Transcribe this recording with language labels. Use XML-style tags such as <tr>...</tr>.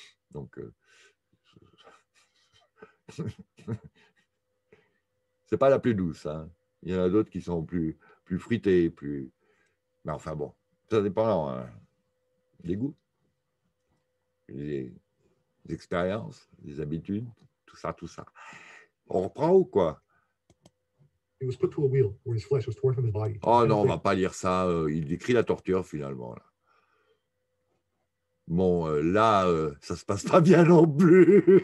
<fr>Donc, c'est pas la plus douce. Hein. Il y en a d'autres qui sont plus fruitées, plus. Mais enfin bon, ça dépend des goûts. Les expériences, les habitudes, tout ça. On reprend ou quoi?</fr> <en>He was put to a wheel where his flesh was torn from his body.</en> <fr>Oh non, on va pas lire ça. Il décrit la torture finalement. Là. Bon, là, ça se passe pas bien non plus.</fr>